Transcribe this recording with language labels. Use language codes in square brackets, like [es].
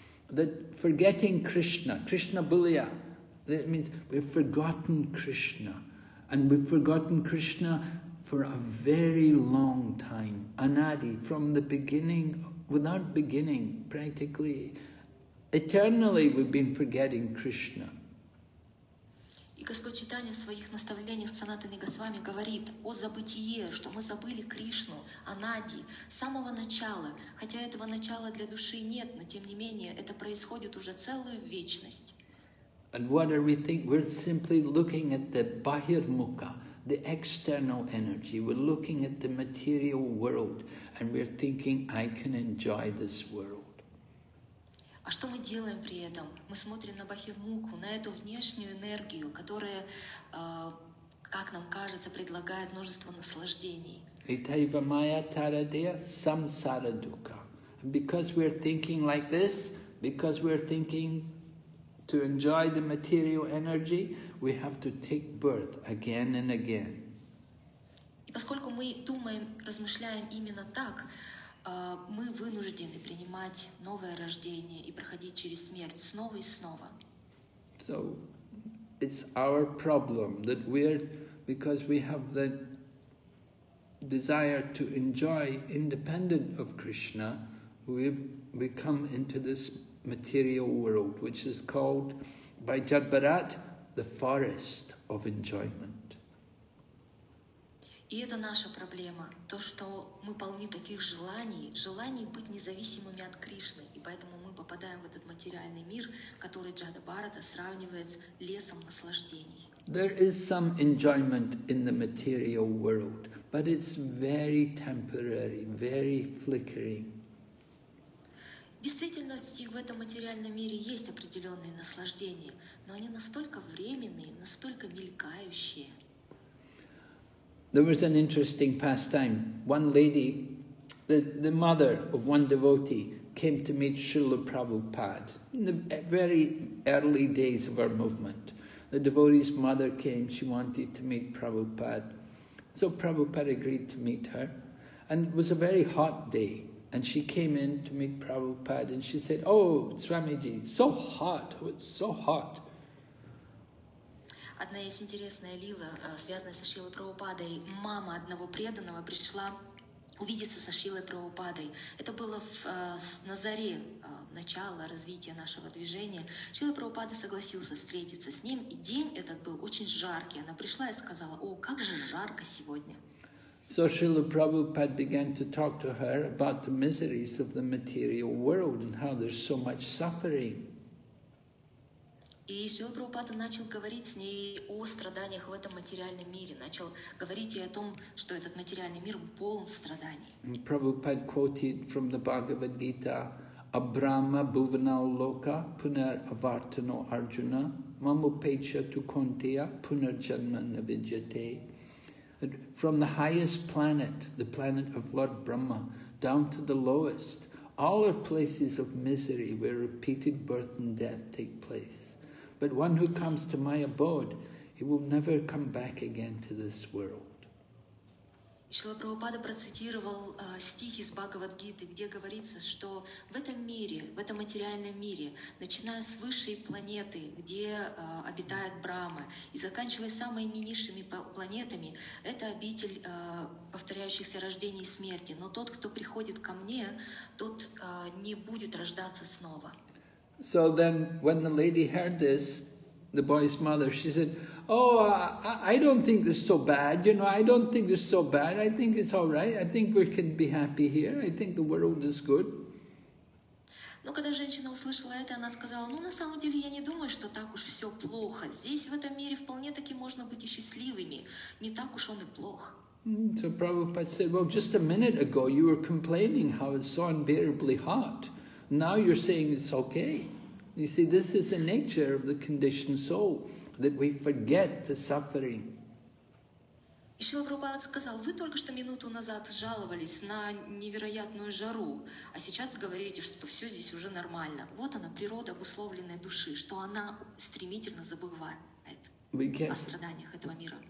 [en] That forgetting Krishna, Krishna Bulya, that means we've forgotten Krishna. And we've forgotten Krishna for a very long time, anadi, from the beginning, without beginning, practically. Eternally we've been forgetting Krishna. [ru] И Господь Читания в своих наставлениях Санатаны Госвами говорит о забытие, что мы забыли Кришну, Анади, с самого начала, хотя этого начала для души нет, но тем не менее это происходит уже целую вечность. [en] And what are we thinking? We're simply looking at the Bahirmukha, the external energy. We're looking at the material world and we're thinking, I can enjoy this world. [ru] А что мы делаем при этом? Мы смотрим на Бахирмуку, на эту внешнюю энергию, которая, как нам кажется, предлагает множество наслаждений. [sa] Итайва майя тарадея самсара дукха. [en] Because we're thinking like this, because we're thinking to enjoy the material energy, we have to take birth again and again. [ru] И поскольку мы думаем, размышляем именно так, мы вынуждены принимать новое рождение и проходить через смерть снова и снова. [en] So it's our problem that we're, because we have the desire to enjoy independent of Krishna, we come into this material world, which is called by Jadbharat the forest of enjoyment. [ru] И это наша проблема, то, что мы полны таких желаний, желаний быть независимыми от Кришны, и поэтому мы попадаем в этот материальный мир, который Джада Бхарата сравнивает с лесом наслаждений. [en] There is some enjoyment in the material world, but it's very temporary, very flickering. [ru] Действительно, в этом материальном мире есть определенные наслаждения, но они настолько временные, настолько мелькающие. [en] There was an interesting pastime. One lady, the mother of one devotee, came to meet Srila Prabhupada in the very early days of our movement. The devotee's mother came, she wanted to meet Prabhupada. So Prabhupada agreed to meet her. And it was a very hot day. And she came in to meet Prabhupada and she said, "Oh, Swamiji, so hot, oh, it's so hot." [ru] Одна есть интересная лила, связанная со Шрилой Прабхупадой. Мама одного преданного пришла увидеться со Шрилой Прабхупадой. Это было на заре начала развития нашего движения. Шрила Прабхупада согласился встретиться с ним, и день этот был очень жаркий. Она пришла и сказала: «О, как же жарко сегодня!» [en] So Srila Prabhupada began to talk to her about the miseries of the material world and how there's so much suffering. [ru] И Шрила Прабхупада начал говорить с ней о страданиях в этом материальном мире, начал говорить ей о том, что этот материальный мир полон страданий. [en] And Prabhupada quoted from the Bhagavad Gita, [sa] Abrahma Bhuvanal Loka Punar Avartano Arjuna Mamupecha Tukontiya Punar Janma Navijate. [en] From the highest planet, the planet of Lord Brahma, down to the lowest, all are places of misery where repeated birth and death take place. But one who comes to my abode, he will never come back again to this world. [ru] Шрила Прабхупада процитировал стих из Бхагавад-гиты, где говорится, что в этом мире, в этом материальном мире, начиная с высшей планеты, где обитает Брахма, и заканчивая самыми низшими планетами, это обитель повторяющихся рождений и смерти. Но тот, кто приходит ко мне, тот не будет рождаться снова. [en] So then when the lady heard this, the boy's mother, she said, "Oh, I don't think this is so bad, you know, I don't think this is so bad, I think it's all right, I think we can be happy here, I think the world is good." [ru] Но когда женщина услышала это, она сказала: «Ну, на самом деле, я не думаю, что так уж все плохо. Здесь, в этом мире, вполне таки можно быть и счастливыми. Не так уж он и плох». [en] So Prabhupada said, well, just a minute ago, you were complaining how it's so unbearably hot. Now you're saying it's okay. You see, this is the nature of the conditioned soul, that we forget the suffering. [ru] И Шрила Прабхупада сказал: вы только что минуту назад жаловались на невероятную жару, а сейчас говорите, что все здесь уже нормально. Вот она, природа обусловленной души, что она стремительно забывает о страданиях этого мира.